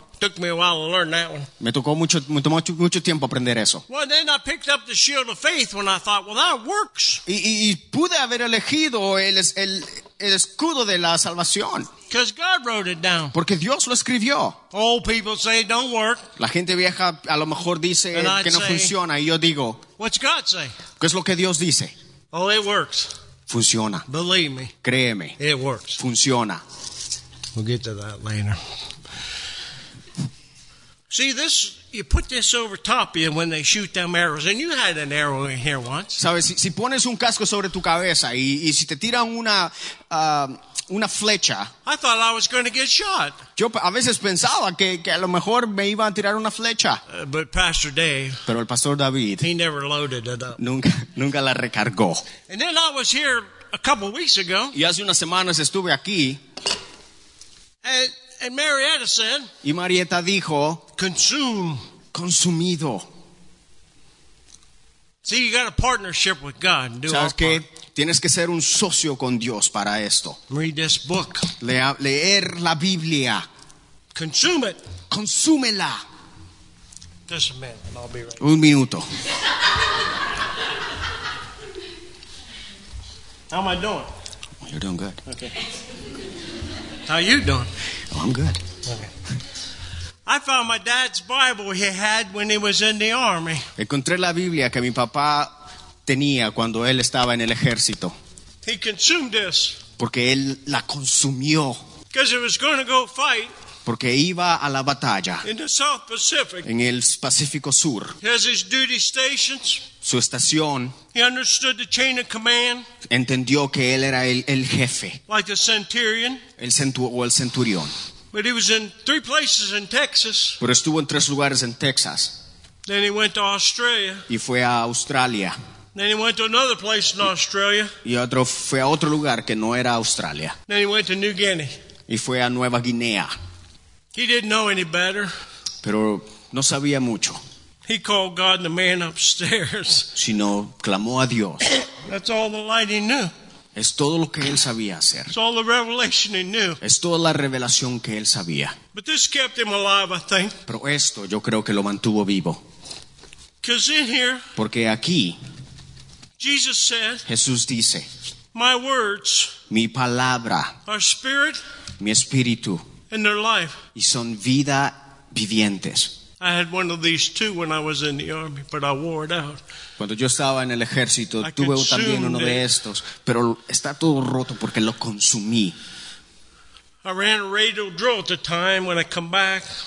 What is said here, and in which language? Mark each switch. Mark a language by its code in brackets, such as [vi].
[en] Took me a while to learn that one. [es] Me tocó mucho tiempo aprender eso. [en] Well, then I picked up the shield of faith when I thought, well, that works. [es] Y pude haber elegido el escudo de la salvación. [en] Because God wrote it down. [es] Porque Dios lo escribió. [en] Old people say it don't work. [es] La gente vieja a lo mejor dice que no funciona. Y yo digo, [en] what's God say? [es] ¿Qué es lo que Dios dice? [en] Oh, it works. [es] Funciona. [en] Believe me. [es] Créeme. [en] It works. [es] Funciona. [en] We'll get to that later. See this, you put this over top of you when they shoot them arrows. And you had an arrow in here once. [es] Sabes, si pones un casco sobre tu cabeza y si te tiran una flecha. [en] I thought I was going to get shot. [es] Yo a veces pensaba que a lo mejor me iba a tirar una flecha. [en] But Pastor Dave. [es] Pero el Pastor David. [en] He never loaded it up. [es] Nunca la recargó. [en] And then I was here a couple weeks ago. [es] Y hace unas semanas estuve aquí. [en] And Marietta said. [es] Y Marietta dijo. [en] Consume. [es] Consumido. [en] See, you got a partnership with God. Do [es] ¿sabes qué? [en] Part. [es] Tienes que ser un socio con Dios para esto. [en] Read this book. [es] Leer la Biblia. [en] Consume it. [es] Consúmela. [en] Just a minute, and I'll be right. [es] Un minuto. [en] How am I doing? You're doing good. Okay. How you doing? Oh, I'm good. Okay. I found my dad's Bible he had when he was in the army. [es] Encontré la Biblia que mi papá tenía cuando él estaba en el ejército. [en] He consumed this. [es] Porque él la consumió. [en] Because he was going to go fight. [es] Porque iba a la batalla. [en] In the South Pacific. [es] En el Pacífico Sur. [en] He has his duty stations. [es] Su estación. [en] He understood the chain of command. [es] Entendió que él era el jefe. [en] Like the centurion. [es] El centurión. [en] But he was in three places in Texas. [es] Pero estuvo en tres lugares en Texas. [en] Then he went to Australia. [es] Y fue a Australia. [en] Then he went to another place in Australia. [es] Y otro fue a otro lugar que no era Australia. [en] Then he went to New Guinea. [es] Y fue a Nueva Guinea. [en] He didn't know any better. [es] Pero no sabía mucho. [en] He called God the man upstairs. [es] Sino clamó a Dios. [en] That's all the light he knew. [es] Es todo lo que él sabía hacer. [en] It's all the revelation he knew. [es] Es toda la revelación que él sabía. [en] But this kept him alive, I think. [es] Pero esto yo creo que lo mantuvo vivo. [en] Because in here. [es] Porque aquí. [en] Jesus said. [es] Jesús dice. [en] My words. [es] Mi palabra. [en] Our spirit. [es] Mi espíritu. [en] And their life. [es] Y son vida vivientes. [en] I had one of these too when I was in the army, but I wore it out. [es] Cuando yo estaba en el ejército, tuve también uno de estos, pero está todo roto porque lo consumí. [en] I ran a radio drill at the time when I come back.